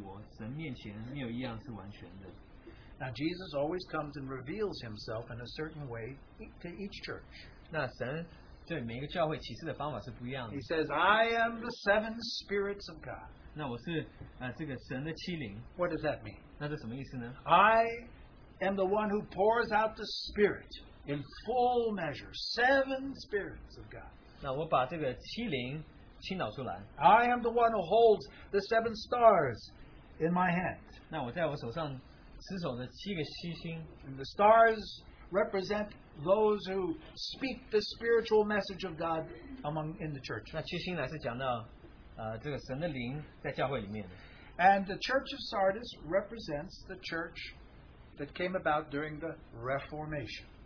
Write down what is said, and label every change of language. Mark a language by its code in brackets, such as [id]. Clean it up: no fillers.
[zh] 那有神的七灵和七心的说，我知道你的行为，按明你是活着，其实是死的。你要警醒，要兼顾那剩下来，剩下将要衰微的，因我借你的行为，在我神面前没有一样是完全的。 [en] Now Jesus always comes and reveals himself in a certain way to each church. [zh] 那神对每个教会启示的方法是不一样的。 [en] He says, I am the seven spirits of God. [zh] 那我是这个神的七灵。 [en] What does that mean? [zh] 那是什么意思呢? [en] I am the one who pours out the Spirit in full measure. Seven spirits of God. [zh] 那我把这个七灵倾倒出来。 [en] I am the one who holds the seven stars in my hand. [zh] 那我在我手上持守的七个七星。 [en] And the stars represent those who speak the spiritual message of God among in the church. [zh] 那七星来是讲到 [en] And the Church of Sardis represents the church that came about during the Reformation.